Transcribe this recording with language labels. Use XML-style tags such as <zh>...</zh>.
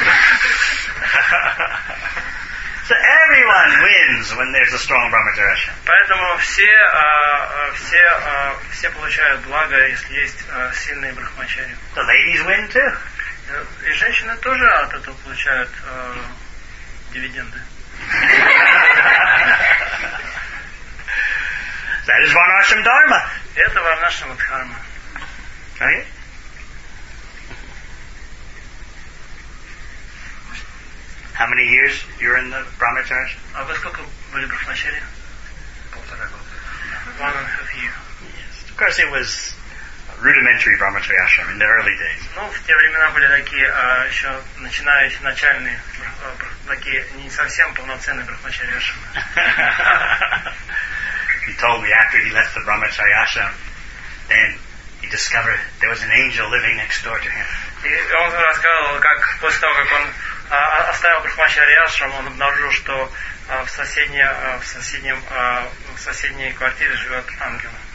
<en>So everyone wins when there's a strong brahmacharya.</en> <ru>Поэтому все получают благо, если есть сильные брахмачари.</ru> <en>The ladies win too.</en> <ru>И женщины тоже от этого получают дивиденды.</ru> <en>That is Varnashram Dharma.</en> <ru>Это Варнашрама Дхарма.</ru> <en>Okay. How many years you're in the brahmacharis?</en> <ru>А вы сколько были брахмачари? Полтора года.</ru> <en>One and a half year. Yes. Of course, it was a rudimentary brahmachari ashram in the early days.</en> <ru>Ну, в те времена были такие, еще начинающие, начальные, такие не совсем полноценные брахмачари ашрамы.</ru> <en>He told me after he left the brahmachari ashram, then he discovered there was an angel living next door to him.</en> <ru>И он рассказывал, как после того, как он оставил брахмачарья ашрам, он обнаружил, что в соседней квартире живет ангел.</ru>